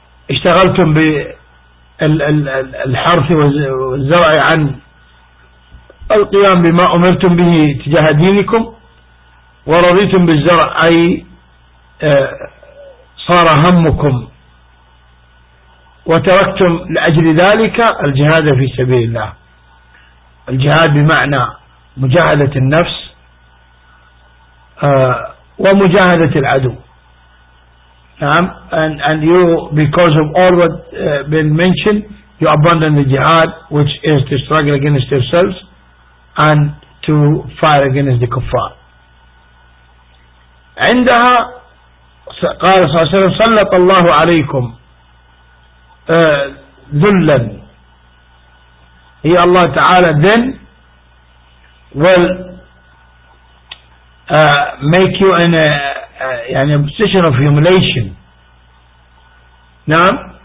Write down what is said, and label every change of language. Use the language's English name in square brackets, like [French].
[Arabic] اشتغلتم بالحرث والزرع عن القيام بما أمرتم به تجاه دينكم, ورضيتم بالزرع أي صار همكم, وتركتم لأجل ذلك الجهاد في سبيل الله. الجهاد بمعنى مجاهدة النفس ومجاهدة العدو نعم. [English] And you, because of all what been mentioned, you abandon the jihad, which is to struggle against yourselves and to fight against the kuffar. [Arabic] عندها قال صلى الله عليه وسلم سلط الله عليكم ذلا, هي الله تعالى [English] then will make you in a position of humiliation [Arabic] نعم.